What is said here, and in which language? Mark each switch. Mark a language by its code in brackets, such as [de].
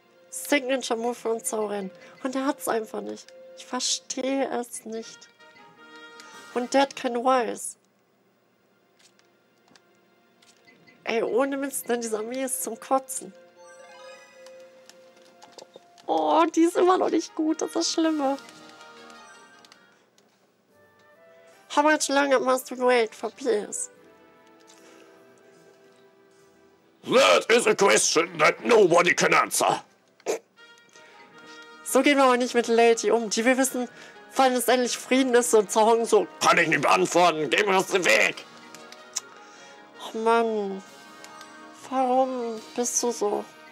[de] Signature-Move von Zaurin. Und er hat es einfach nicht. Ich verstehe es nicht. Und der hat kein Wise. Ey, ohne Mist, denn diese Armee ist zum Kotzen. Oh, die ist immer noch nicht gut. Das ist das Schlimme. [en] How much longer must we wait for peace? That is a question that nobody can answer. [de] So gehen wir aber nicht mit Lady um. Die will wissen, wann es endlich Frieden ist und Zahong so. Kann ich nicht beantworten. Geh mir aus dem Weg. Oh Mann. Warum bist du so?